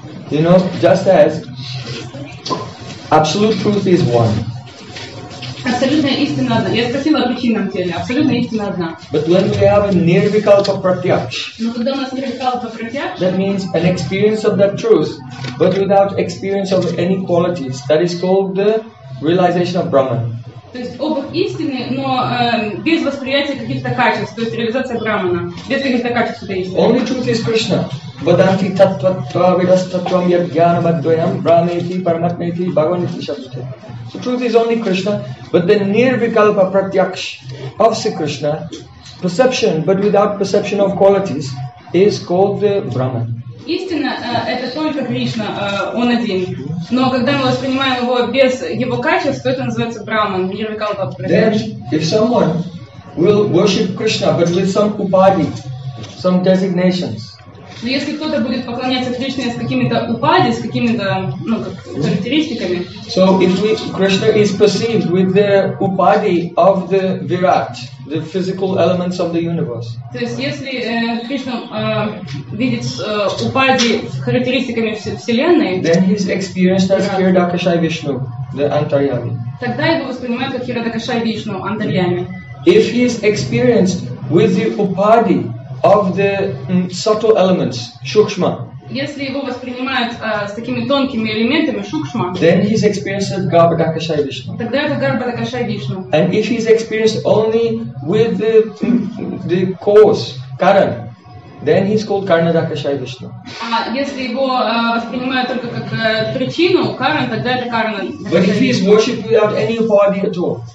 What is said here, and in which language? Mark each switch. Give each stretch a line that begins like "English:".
English: You know, just as absolute truth is one.
Russian: Абсолютная истина одна. Я спросила о причинном теле. Абсолютная истина одна.
English: But when we have a nirvikalpa pratyaksha.
Russian: Но когда у нас nirvikalpa pratyaksha.
English: That means an experience of that truth, but without experience of any qualities. That is called the realization of Brahman.
Russian: То есть опыт истины, но без восприятия каких-то качеств, то есть реализация Брахмана, без каких-то качеств этой истины.
English: Only truth is Krishna.
Sanskrit: Vadanti tattva vidastattvam yajnanam advayam brahmeti paramatmeti bhagavaniti shabdhati.
English: So truth is only Krishna, but the nirvikalpa pratyaksh of Sri Krishna, perception but without perception of qualities, is called the Brahman.
Russian: Истина – это только Кришна, Он один. Но когда мы воспринимаем Его без Его качеств, то это называется Брахман, нирвикалпа пратьякш.
English: Then, if someone will worship Krishna, but with some upadhi, some designations.
Russian: Но если кто-то будет поклоняться Кришне с какими-то упади, с какими-то, ну, как, характеристиками.
English: So, if we, Krishna is perceived with the upadhi of the Virat, the physical elements of the universe.
Russian: То есть, если Кришна видит упади с характеристиками Вселенной,
English: then he is experienced as Hiradakshaya Vishnu, the Antaryami.
Russian: Тогда его воспринимают как Hiradakshaya Vishnu, Antaryami.
English: If he is experienced with the upadhi of the subtle elements, shukshma.
Russian: Если его воспринимают с такими тонкими элементами, shukshma.
English: Then he's experienced garbhadakshaya
Russian: Vishnu. Тогда это garbhadakshaya
English: Vishnu. And if he's experienced only with the cause, karan, then he's called karnadakshaya
Russian: Vishnu. Если его воспринимают только как причину, karan, тогда это karnadakshaya
English: Vishnu. But if he's worshipped without any upadhi at all.